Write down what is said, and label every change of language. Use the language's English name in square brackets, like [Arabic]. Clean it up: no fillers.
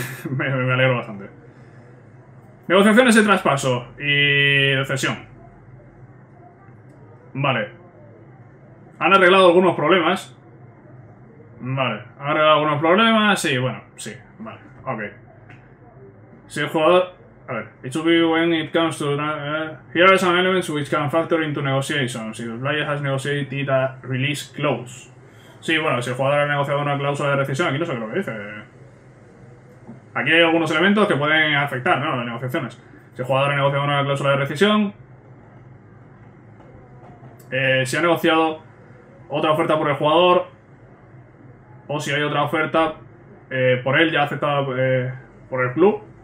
[Spanish] me alegro bastante. Negociaciones de traspaso y de cesión. Vale. Han arreglado algunos problemas. Vale, ha arreglado algunos problemas, sí, bueno, sí, vale, ok. Si el jugador. A ver, [English] it should be when it comes to. Here are some elements which can factor into negotiations. If the player has negotiated a release clause. [Spanish] Sí, bueno, si el jugador ha negociado una cláusula de rescisión, aquí no sé qué lo que dice. Aquí hay algunos elementos que pueden afectar, ¿no? Las negociaciones. Si el jugador ha negociado una cláusula de rescisión. Si ha negociado otra oferta por el jugador. O si hay otra oferta por él ya aceptada por el club.